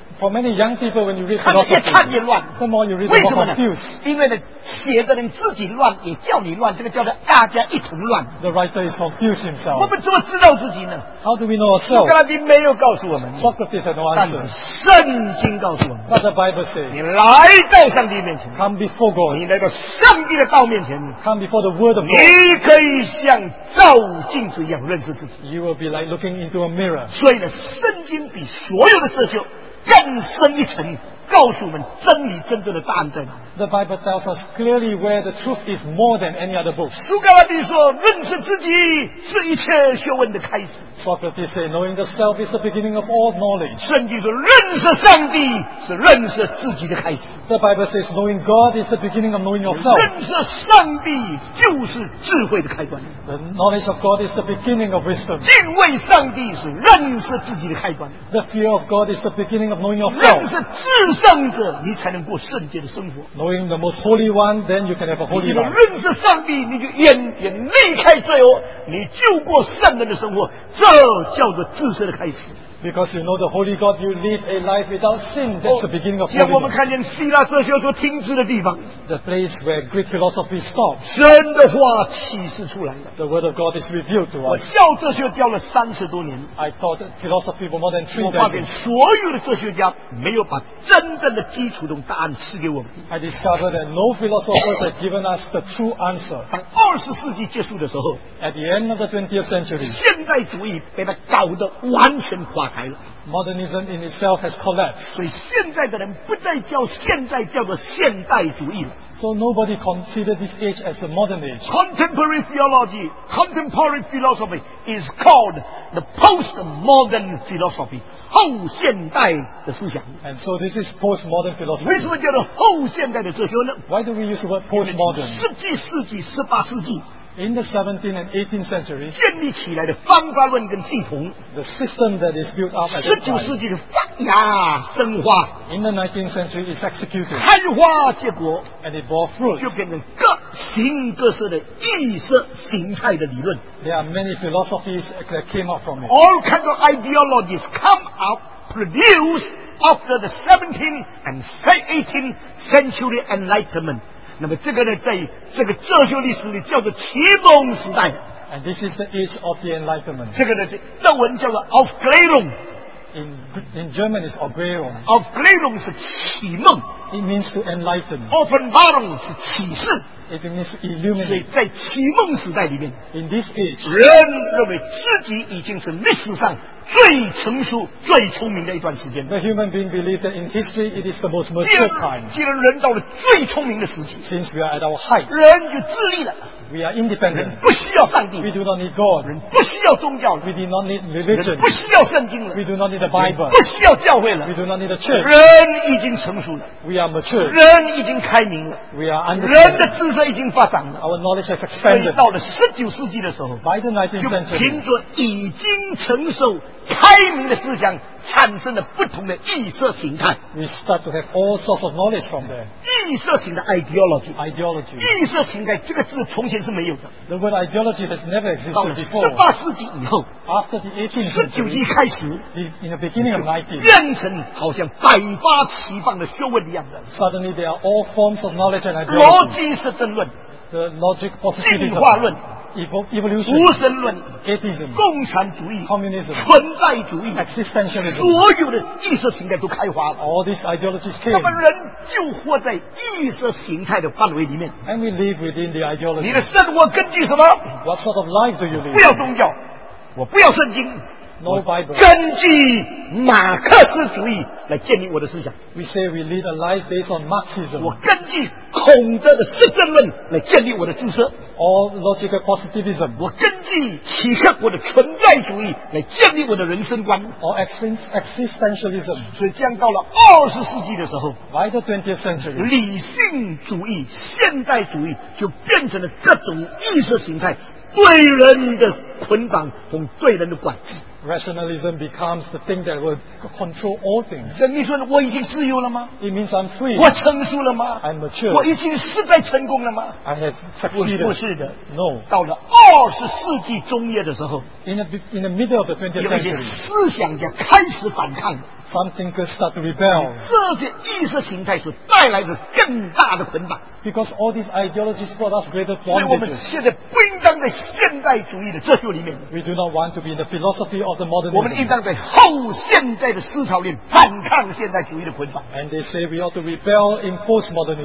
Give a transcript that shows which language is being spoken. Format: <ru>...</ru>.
<en>for many young people, when you read philosophy, the more you read, the more confused.</en> <zh>因为呢, 写的人自己乱, 也叫你乱, 这个叫做大家一同乱。</zh> <en>The writer is confused himself.</en> <zh>我们怎么知道自己呢?</zh> <en>How do we know ourselves?</en> <zh>苏格拉底没有告诉我们,</zh> <en>Socrates had no answer.</en> <zh>但是圣经告诉我们,</zh> <en>what the Bible says,</en> <zh>你来到上帝面前,</zh> <en>come before God,</en> <zh>你来到上帝的道面前,</zh> <en>come before the word of God,</en> <zh>你可以像照镜子一样认识自己。</zh> <en>You will be like looking into a mirror.</en> <zh>所以呢, 圣经比所有的哲学 更深一层, 告诉我们真理真正的答案在哪。</zh> <en>The Bible tells us clearly where the truth is more than any other book.</en> <zh>苏格拉底说, 认识自己是一切学问的开始。</zh> <en>Socrates said, knowing the self is the beginning of all knowledge.</en> <zh>圣经说, 认识上帝是认识自己的开始。</zh> <en>The Bible says, knowing God is the beginning of knowing yourself.</en> <zh>认识上帝就是智慧的开端。</zh> <en>The knowledge of God is the beginning of wisdom.</en> <zh>敬畏上帝是认识自己的开端。</zh> <en>The fear of God is the beginning of knowing yourself.</en> <zh>认识自己圣者，你才能过圣洁的生活。</zh> <en>Knowing the most holy one, then you can have a holy life.</en> <zh>你认识上帝，你就远离开罪恶，你就过圣人的生活，这叫做至圣的开始。</zh> <en>Because you know the holy God, you live a life without sin. That's the beginning of holiness.</en> <zh>像我们看见希腊哲学所停止的地方</zh> <en>，the place where Greek philosophy stopped.</en> <zh>神的话启示出来了</zh> <en>，the word of God is revealed to us.</en> <zh>我教哲学教了三十多年</zh> <en>，I taught philosophy for more than 3 years.</en> <zh>我发现所有的哲学家没有把真正的基础中答案赐给我们。</zh> <en>I discovered that no philosophers have given us the true answer.</en> <zh>当二十世纪结束的时候</zh> <en>，at the end of the 20th century,</en> <zh>现代主义被他搞得完全垮。</zh> <en>Modernism in itself has collapsed.</en> <zh>所以现在的人不再叫现在叫做现代主义了。</zh> <en>So nobody considers this age as the modern age. Contemporary theology, contemporary philosophy is called the postmodern philosophy.</en> <zh>后现代的思想。</zh> <en>And so this is postmodern philosophy.</en> <zh>为什么叫做后现代的哲学呢？</zh> <en>Why do we use the word postmodern?</en> <zh>十七世纪、十八世纪。</zh> <en>In the 17th and 18th centuries,</en> <zh>建立起来的方法论跟系统</zh> <en>the system that is built up at that time,</en> <zh>19世纪的发芽生化</zh> <en>in the 19th century, is executed,</en> <zh>开花结果</zh> <en>and it bore fruit,</en> <zh>就变成各形各色的意识形态的理论</zh> <en>There are many philosophies that came up from it. All kinds of ideologies come up, produced after the 17th and 18th century enlightenment.</en> <zh>那么这个呢，在这个哲学历史里叫做启蒙时代。</zh> <en>And this is the age of the Enlightenment.</en> <zh>这个呢，这德文叫做 Aufklärung.</zh> <en>In German is Aufklärung.</en> <zh>Aufklärung 是启蒙。</zh> <en>It means to enlighten.</en> <zh>Offenbarung 是启示。</zh> <en>It means illuminate.</en> <zh>所以在启蒙时代里面</zh> <en>，In this age,</en> <zh>人认为自己已经是历史上最成熟、最聪明的一段时间。</zh> <en>The human being believes that in history it is the most mature time.</en> <zh>既然人到了最聪明的时期</zh> <en>，Since we are at our height,</en> <zh>人就自立了。</zh> <en>We are independent.</en> <zh>人不需要上帝。</zh> <en>We do not need God.</en> <zh>人不需要宗教。</zh> <en>We do not need religion.</en> <zh>人不需要圣经了。</zh> <en>We do not need the Bible.</en> <zh>不需要教会了。</zh> <en>We do not need the church.</en> <zh>人已经成熟了。</zh> <en>We are mature.</en> <zh>人已经开明了。</zh> <en>We are understanding.</en> <zh>人的智慧已经发展了。</zh> <en>Our knowledge has expanded.</en> <zh>所以到了十九世纪的时候</zh> <en>，By the 19th century,</en> <zh>就凭着已经成熟、开明的思想，产生了不同的意识形态。</zh> <en>We start to have all sorts of knowledge from there.</en> <zh>意识形态 ideology.</zh> <en>Ideology.</en> <zh>意识形态这个字从前是没有的。</zh> <en>The word ideology has never existed before.</en> <zh>十八世纪以后</zh> <en>，After the 18th century,</en> <zh>十九世纪开始</zh> <en>，In the beginning of 19th,</en> <zh>变成好像百花齐放的学问一样的。</zh> <en>Suddenly, there are all forms of knowledge and ideology.</en> <zh>逻辑是争论</zh> <en>，The logic of</en> <zh>the 进化论。</zh> <en>Evolution,</en> <zh>无神论</zh> <en>Atheism,</en> <zh>共产主义</zh> <en>Communism,</en> <zh>存在主义</zh> <en>Existentialism,</en> <zh>所有的意识形态都开花了</zh> <en>All these ideologies came.</en> <zh>那么人就活在意识形态的范围里面</zh> <en>And we live within the ideology.</en> <zh>你的生活根据什么</zh> <en>What sort of life do you live?</en> <zh>不要宗教我不要圣经</zh> <en>No Bible.</en> <zh>根据马克思主义来建立我的思想</zh> <en>We say we lead a life based on Marxism.</en> <zh>我根据孔德的实证论来建立我的知识</zh> <en>All logical positivism.</en> <zh>我根据齐克国的存在主义来建立我的人生观。</zh> <en>Or existentialism.</en> <zh>所以降到了二十世纪的时候</zh> <en>，By the 20th century,</en> <zh>理性主义、现代主义就变成了各种意识形态对人的捆绑和对人的管制。</zh> <en>Rationalism becomes the thing that will control all things.</en> <zh>人你说我已经自由了吗</zh> <en>？It means I'm free.</en> <zh>我成熟了吗</zh> <en>？I'm mature.</en> <zh>我已经失败成功了吗</zh> <en>？I have succeeded.</en> <zh>不是的</zh> <en>，No.</en> <zh>到了二十世纪中叶的时候</zh> <en>，In the middle of the 20th century,</en> <zh>有一些思想家开始反抗。</zh> <en>Some thinkers start to rebel.</en> <zh>这些意识形态所带来的更大的捆绑。</zh> <en>Because all these ideologies brought us greater bondage.</en> <zh>所以我们现在不应当在现代主义的哲学里面。</zh> <en>We do not want to be in the philosophy of the modern.</en> <zh>我们应当在后现代的思潮里反抗现代主义的捆绑。</zh> <en>And they say we ought to rebel in postmodernism.</en>